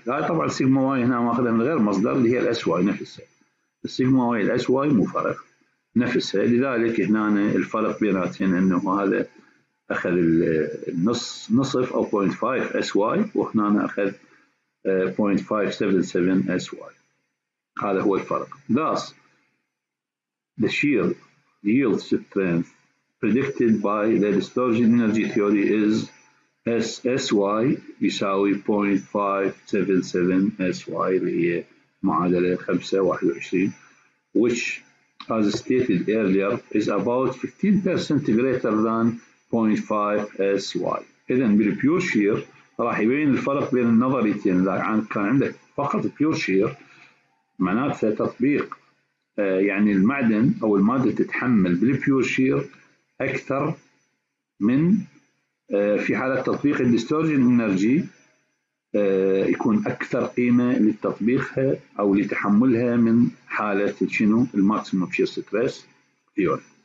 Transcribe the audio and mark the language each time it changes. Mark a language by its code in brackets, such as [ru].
[ar] هاي طبعا سيجما واي هنا ماخذها من غير مصدر اللي هي الـ SY نفسها، السيجما واي الـ SY مو فرق نفسها. لذلك هنا الفرق بيناتهم انه هذا اخذ نصف او 0.5 SY، وهنا اخذ 0.577 SY. هذا هو الفرق. [en] Thus the shear yield strength predicted by the distortion energy theory is SY [ar] يساوي 0.577 SY، اللي هي معادلة 25، [en] which as stated earlier is about 15% greater than 0.5 SY. [ar] إذن بالبيور شير راح يبين الفرق بين النظريتين. إذا كان عندك فقط بيور شير معناته تطبيق يعني المعدن أو المادة تتحمل بالبيور شير أكثر من في حالة تطبيق الديستورجن انرجي، يكون أكثر قيمة لتطبيقها أو لتحملها من حالة شنو؟ الماكسيموم شير ستريس ثيوري.